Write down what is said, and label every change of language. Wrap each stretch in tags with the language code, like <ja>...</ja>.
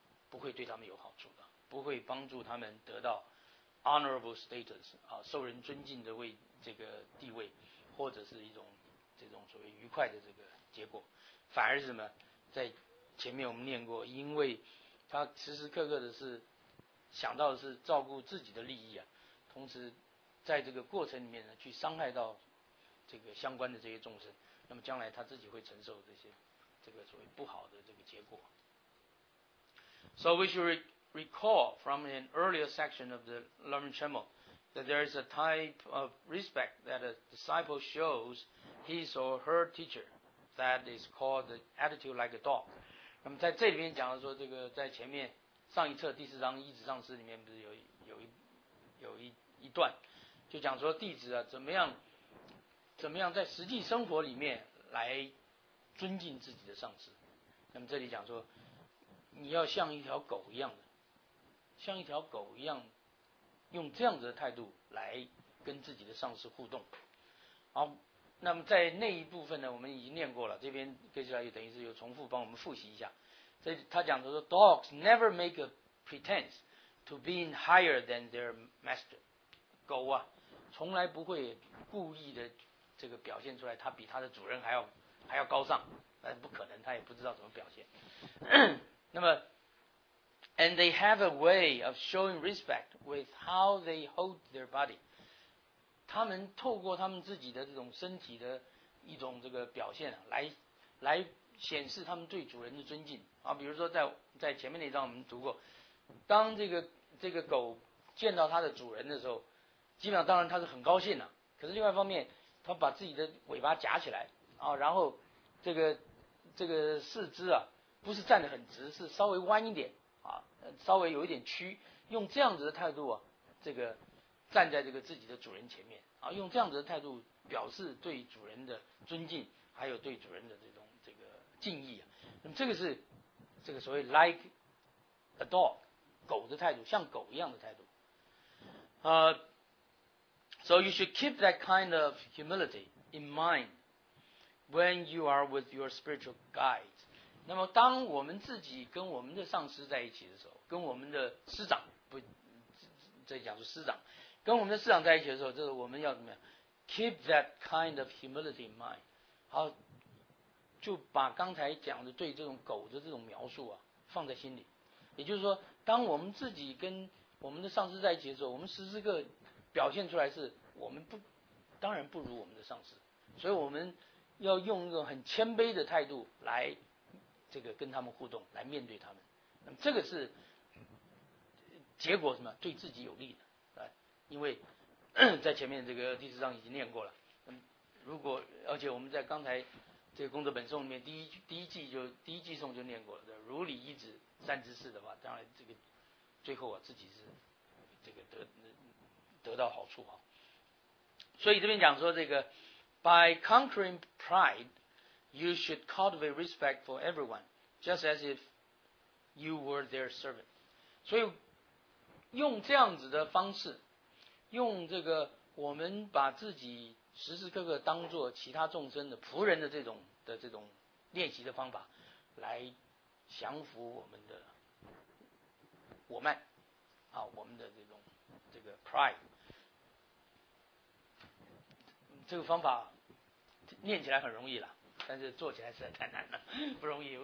<zh>不会对他们有好处的，不会帮助他们得到</zh> <en>honorable status、</en> <zh>啊、受人尊敬的位这个地位，或者是一种这种所谓愉快的这个结果，反而是什么，在前面我们念过，因为他时时刻刻的是想到的是照顾自己的利益啊，同时在这个过程里面呢，去伤害到这个相关的这些众生，那么将来他自己会承受这些这个所谓不好的这个结果。</zh> <en>So we should recall from an earlier section of the Learning Channel that there is a type of respect that a disciple shows his or her teacher that is called the attitude like a dog。</en> <zh>那么在这里面讲的说，这个在前面上一册第四章一指上师里面不是有一段就讲说，弟子啊怎么样在实际生活里面来尊敬自己的上师，那么这里讲说，你要像一条狗一样的，像一条狗一样，用这样子的态度来跟自己的上司互动。好，那么在那一部分呢，我们已经念过了，这边接下来又等于是又重复帮我们复习一下。这他讲的说</zh> <en>，Dogs never make a pretense to being higher than their master。</en> <zh>狗啊，从来不会故意的这个表现出来，它比它的主人还要高尚，那不可能，它也不知道怎么表现。那么</zh> <en>，and they have a way of showing respect with how they hold their body。</en> <zh>他们透过他们自己的这种身体的一种这个表现、啊、来显示他们对主人的尊敬啊。比如说在前面那章我们读过，当这个狗见到它的主人的时候，基本上当然它是很高兴的、啊。可是另外一方面，它把自己的尾巴夹起来啊，然后这个四肢啊，不是站得很直，是稍微弯一点啊，稍微有一点屈，用这样子的态度啊，这个。站在这个自己的主人前面啊，用这样子的态度表示对主人的尊敬，还有对主人的这种这个敬意啊。那么这个是这个所谓</zh> <en>like a dog</en> <zh>狗的态度，像狗一样的态度。</zh> <en>So you should keep that kind of humility in mind when you are with your spiritual guides。</en> <zh>那么当我们自己跟我们的上师在一起的时候，跟我们的师长，不，这讲是师长。跟我们的师长在一起的时候，就是我们要怎么样 ？</zh> <en>Keep that kind of humility in mind。</en> <zh>好，就把刚才讲的对这种狗的这种描述啊放在心里。也就是说，当我们自己跟我们的上司在一起的时候，我们时时刻表现出来是我们不，当然不如我们的上司，所以我们要用一个很谦卑的态度来这个跟他们互动，来面对他们。那么这个是结果什么？对自己有利的。因为在前面这个第四章已经念过了，如果而且我们在刚才这个功德本颂里面第一偈颂就念过了，如理一止三知四的话，当然这个最后啊自己是这个得到好处啊。所以这边讲说这个</zh> <en>by conquering pride you should cultivate respect for everyone just as if you were their servant。</en> <zh>所以用这样子的方式，用这个我们把自己时时刻刻当作其他众生的仆人的这种练习的方法来降服我们的我慢啊，我们的这个 pride， 这个方法念起来很容易了，但是做起来实在太难了，不容易。</zh>